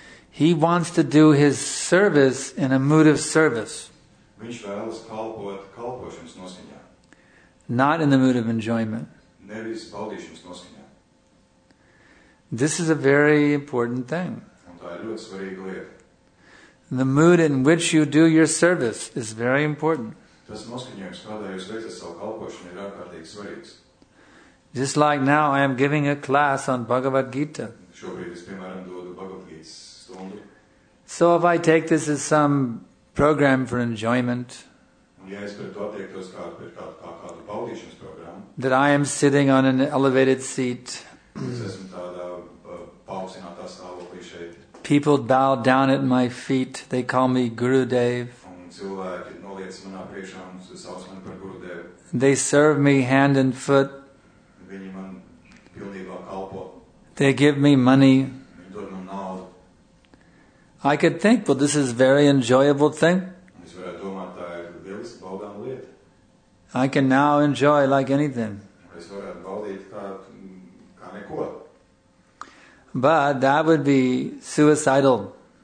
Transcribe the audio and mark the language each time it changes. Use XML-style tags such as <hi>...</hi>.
<en>He wants to do his service in a mood of service.</en> <lv>Viņš vēlas kalpot kalpošanas noskaņā.</lv> <en>Not in the mood of enjoyment.</en> <lv>Nevis baudīšanas noskaņā.</lv> <en>This is a very important thing.</en> <lv>Un tā ir ļoti svarīga lieta.</lv> <en>The mood in which you do your service is very important.</en> <lv>Tas noskaņojums, kādā jūs veicat savu kalpošanu, ir ārkārtīgi svarīgs.</lv> <en>Just like now I am giving a class on Bhagavad Gita.</en> <lv>Šobrīd es, piemēram, dodu Bhagavad Gita stundu.</lv> <en>So if I take this as some program for enjoyment,</en> <lv>ja es par to attiektos kādu baudīšanas programmu,</lv> <en>that I am sitting on an elevated seat,</en> <lv>es esmu tādā paaugstinātā stāvoklī šeit,</lv> <en>people bow down at my feet, they call me Gurudev,</en> <lv>un cilvēki noliec manā priekšā un sauc mani par Gurudev,</lv> <en>they serve me hand and foot,</en> <lv>viņi man pilnībā kalpo,</lv> <en>they give me money,</en> <lv>viņi dod man naudu.</lv> <en>I could think, well, this is a very enjoyable thing.</en> <lv>Es varētu domāt, tā ir lielisks baudāma lieta.</lv> <en>I can now enjoy like anything.</en> <lv>Es varētu baudīt kā neko.</lv> <en>But that would be suicidal.</en>